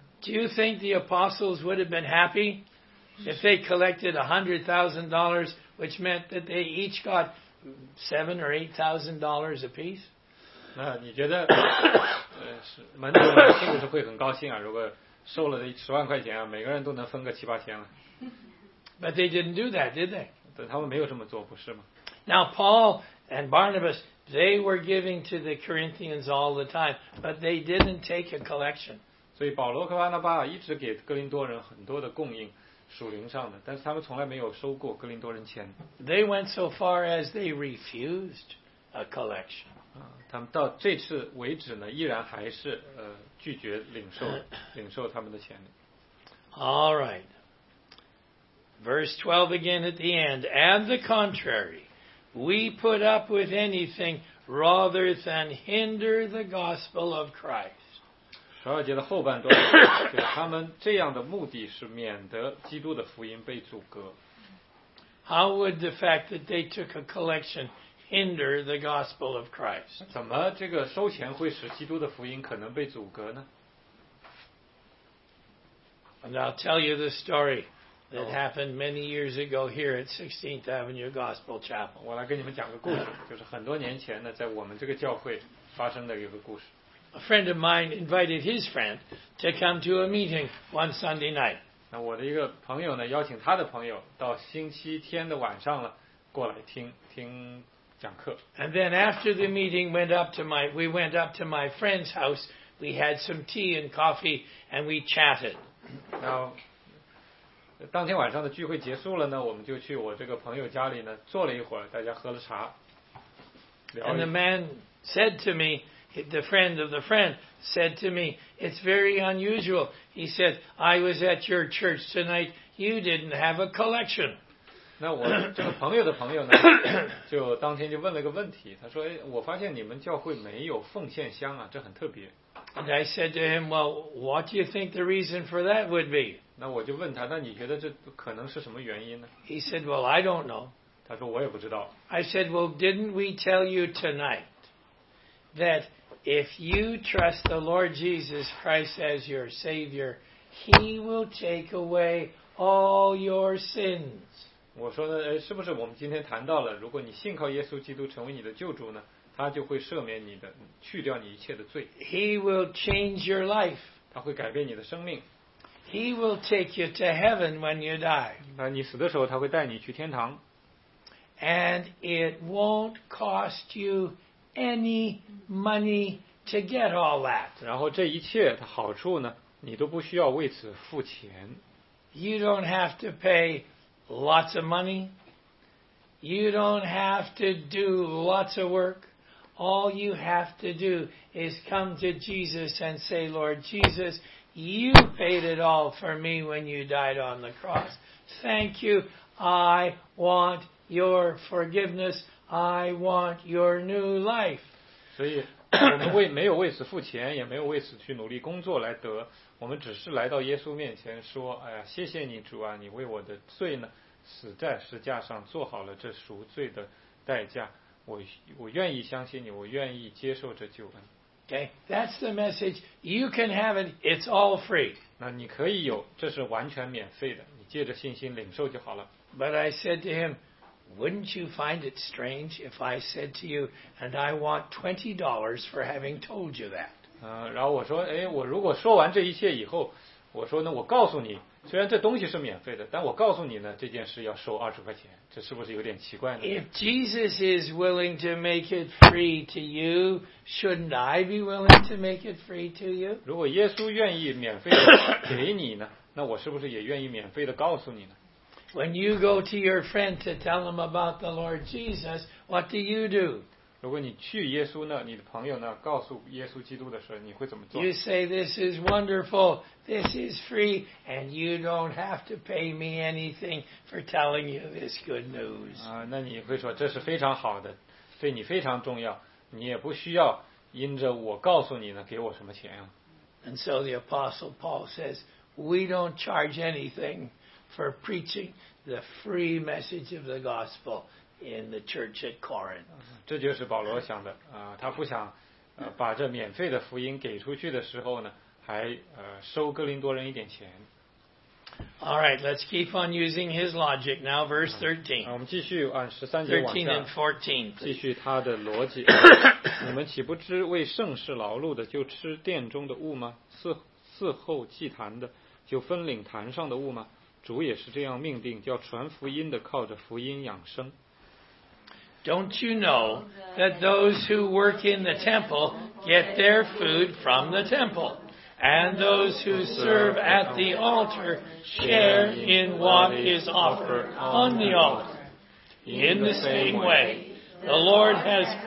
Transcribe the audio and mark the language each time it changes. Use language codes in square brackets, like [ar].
[en] Do you think the apostles would have been happy if they collected $100,000, which meant that they each got $7,000 or $8,000 apiece? [zh] 那你觉得，门徒们是不是会很高兴啊？如果收了10,000块钱啊，每个人都能分个7,000-8,000了。 [en] But they didn't do that, did they? [zh] 对，他们没有这么做，不是吗？ [en] Now Paul and Barnabas, they were giving to the Corinthians all the time, but they didn't take a collection. [zh] 所以保罗和巴拿巴一直给哥林多人很多的供应，属灵上的，但是他们从来没有收过哥林多人钱。 [en] They went so far as they refused a collection. [zh] 他们到这次为止呢，依然还是拒绝领受他们的钱的。 [en] All right. Verse 12 again at the end. And the contrary, we put up with anything rather than hinder the gospel of Christ. [zh] 十二节的后半段，就是他们这样的目的是免得基督的福音被阻隔。 [en] How would the fact that they took a collection hinder the gospel of Christ? [zh] 怎么这个收钱会使基督的福音可能被阻隔呢？ [en] And I'll tell you the story. That happened many years ago here at 16th Avenue Gospel Chapel. [zh] 我来跟你们讲个故事，就是很多年前呢，在我们这个教会发生的一个故事。 [en] A friend of mine invited his friend to come to a meeting one Sunday night. [zh] 那我的一个朋友呢，邀请他的朋友到星期天的晚上了，过来听讲课。 [en] And then after the meeting, we went up to my friend's house. We had some tea and coffee, and we chatted. Now. [zh] 当天晚上的聚会结束了呢，我们就去我这个朋友家里呢坐了一会儿，大家喝了茶。 [en] And the man said to me, the friend of the friend said to me, "It's very unusual." He said, "I was at your church tonight. You didn't have a collection." [zh] 那我这个朋友的朋友呢，就当天就问了一个问题，他说：“哎，我发现你们教会没有奉献箱啊，这很特别。” [en] And I said to him, "Well, what do you think the reason for that would be?" [zh] 那我就问他，那你觉得这可能是什么原因呢？ [en] He said, "Well, I don't know." [zh] 他说我也不知道。 [en] I said, "Well, didn't we tell you tonight that if you trust the Lord Jesus Christ as your Savior, He will take away all your sins?" [zh] 我说呢，是不是我们今天谈到了，如果你信靠耶稣基督成为你的救主呢，他就会赦免你的，去掉你一切的罪。 [en] He will change your life. [zh] 他会改变你的生命。 [en] He will take you to heaven when you die. [zh] 那你死的时候，他会带你去天堂。 [en] And it won't cost you any money to get all that. [zh] 然后这一切的好处呢，你都不需要为此付钱。 [en] You don't have to pay lots of money. You don't have to do lots of work. All you have to do is come to Jesus and say, Lord Jesus, you paid it all for me when you died on the cross. Thank you. I want your forgiveness. I want your new life. [zh] 所以我们为没有为此付钱，也没有为此去努力工作来得，我们只是来到耶稣面前说，哎呀，谢谢你主啊，你为我的罪呢死在十字架上，做好了这赎罪的代价，我愿意相信你，我愿意接受这救恩。 [en] Okay, that's the message. You can have it, it's all free. [zh] 那你可以有，这是完全免费的，你借着信心领受就好了。 [en] But I said to him, wouldn't you find it strange if I said to you, and I want $20 for having told you that? [zh] 然后我说，哎，我如果说完这一切以后，我说呢，我告诉你，虽然这东西是免费的，但我告诉你呢，这件事要收20块钱，这是不是有点奇怪呢？ [en] If Jesus is willing to make it free to you, shouldn't I be willing to make it free to you? [zh] 如果耶稣愿意免费的给你呢，那我是不是也愿意免费的告诉你呢？ [en] When you go to your friend to tell him about the Lord Jesus, what do you do? [zh] 如果你去耶稣呢，你的朋友呢，告诉耶稣基督的时候，你会怎么做？ [en] You say, this is wonderful, this is free, and you don't have to pay me anything for telling you this good news. [zh] 那你会说，这是非常好的，对你非常重要，你也不需要因着我告诉你呢，给我什么钱啊。 [en] And so the Apostle Paul says, we don't charge anything for preaching the free message of the gospel in the church at Corinth. [zh] 这就是保罗想的，他不想把这免费的福音给出去的时候呢，还收哥林多人一点钱。 [en] All right, let's keep on using his logic. Now, verse 13. [zh] 我们继续按十三节往下。 [en] 13 and 14. [zh] 继续他的逻辑。你们岂不知为圣事劳碌的就吃殿中的物吗？伺候祭坛的就分领坛上的物吗？主也是这样命定，叫传福音的靠着福音养生。 [en] Don't you know that those who work in the temple get their food from the temple, and those who serve at the altar share in what is offered on the altar? In the same way, the Lord has